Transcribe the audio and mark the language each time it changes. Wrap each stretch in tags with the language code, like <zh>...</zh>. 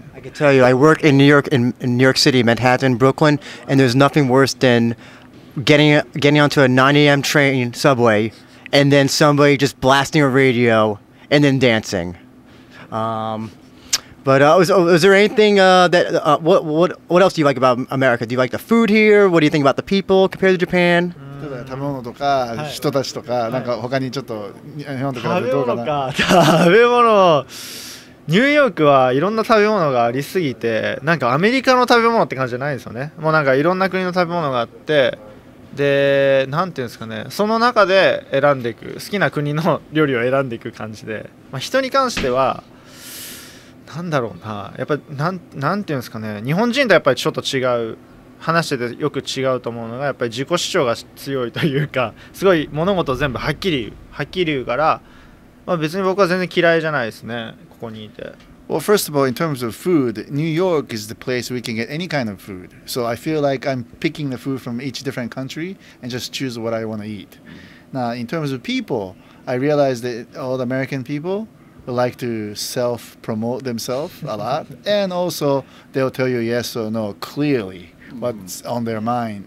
<en>I can tell you, I work in New York City, Manhattan, Brooklyn, and there's nothing worse than getting onto a 9 a.m. train subway and then somebody just blasting a radio and then dancing. Was there anything what else do you like about America? Do you like the food here? What do you think about the people compared to Japan?</en> <ja>食べ物とか人たちとか、なんか他にちょっと日本と比べてどうかな。食べ物か。食べ物。ニューヨークはいろんな食べ物がありすぎて、なんかアメリカの食べ物って感じじゃないんですよね。もうなんかいろんな国の食べ物があって、で、なんていうんですかね、その中で選んでいく、好きな国の料理を選んでいく感じで、まあ、人に関しては、なんだろうな、やっぱなんていうんですかね、日本人とやっぱりちょっと違う、話しててよく違うと思うのが、やっぱり自己主張が強いというか、すごい物事全部はっきり言うから、まあ、別に僕は全然嫌いじゃないですね、ここにいて。</ja> <en>Well, first of all, in terms of food, New York is the place we can get any kind of food. So I feel like I'm picking the food from each different country and just choose what I want to eat. Now, in terms of people, I realize that all the American people like to self-promote themselves a lot. And also, they'll tell you yes or no clearly what's on their mind.</en>